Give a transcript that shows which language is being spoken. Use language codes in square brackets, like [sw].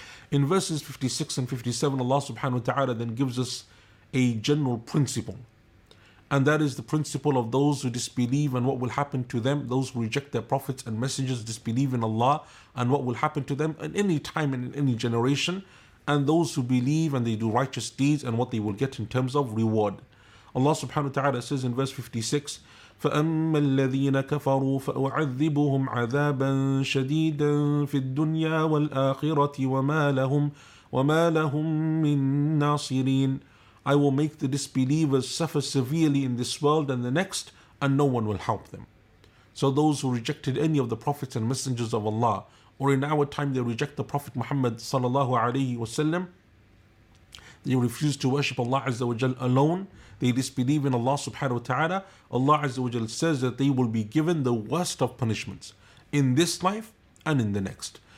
[en] In verses 56 and 57, Allah subhanahu wa ta'ala then gives us a general principle. And that is the principle of those who disbelieve and what will happen to them, those who reject their prophets and messengers, disbelieve in Allah and what will happen to them in any time and in any generation, and those who believe and they do righteous deeds and what they will get in terms of reward. Allah subhanahu wa ta'ala says in verse 56, [ar] فَأَمَّا الَّذِينَ كَفَرُوا فَأُعَذِّبُهُمْ عَذَابًا شَدِيدًا فِي الدُّنْيَا وَالْآخِرَةِ وَمَا لَهُمْ مِن نَاصِرِينَ. [en] I will make the disbelievers suffer severely in this world and the next, and no one will help them. So those who rejected any of the prophets and messengers of Allah, or in our time they reject the Prophet Muhammad sallallahu alayhi wasallam, they refuse to worship Allah Azza wa Jal alone, they disbelieve in Allah subhanahu wa ta'ala, Allah Azza wa Jal says that they will be given the worst of punishments in this life and in the next.